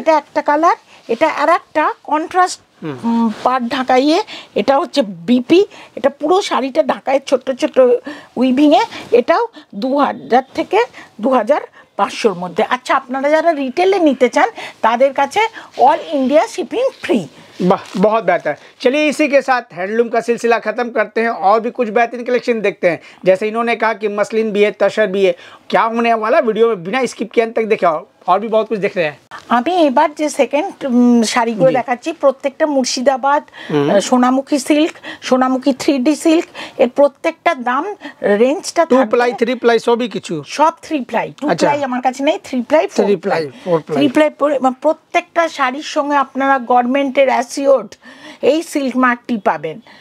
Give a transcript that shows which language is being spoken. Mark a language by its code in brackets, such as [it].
[bn] এটা একটা কালার, এটা আর একটা কন্ট্রাস্ট পাট ঢাকাইয়ে, এটা হচ্ছে বিপি, এটা পুরো শাড়িটা ঢাকাই ছোট ছোট উইভিংয়ে, এটাও 2000 থেকে 2500 মধ্যে। আচ্ছা আপনারা যারা রিটেলে নিতে চান তাদের কাছে অল ইন্ডিয়া শিপিং ফ্রি, [hi] बहुत बेहतर। चलिए इसी के साथ हैंडलूम का सिलसिला ख़त्म करते हैं और भी कुछ बेहतरीन कलेक्शन देखते हैं। जैसे इन्होंने कहा कि मसलिन भी है, तशर भी है, क्या होने वाला वीडियो में बिना स्किप किए अंत तक देखे और भी बहुत कुछ देख रहे हैं। [bn] আমি এবার যে সেকেন্ড শাড়িগুলো দেখাচ্ছি, প্রত্যেকটা Murshidabad Sonamukhi silk, Sonamukhi three D silk, এর প্রত্যেকটা দাম রেঞ্জটা টু প্লাই থ্রি প্লাই সবই কিছু, সব থ্রি প্লাই, টু প্লাই আমার কাছে নেই, three ply four ply, three ply প্রত্যেকটা শাড়ির সঙ্গে আপনারা গভর্নমেন্টের অ্যাসিওর্ড এই সিল্ক মার্কটি পাবেন।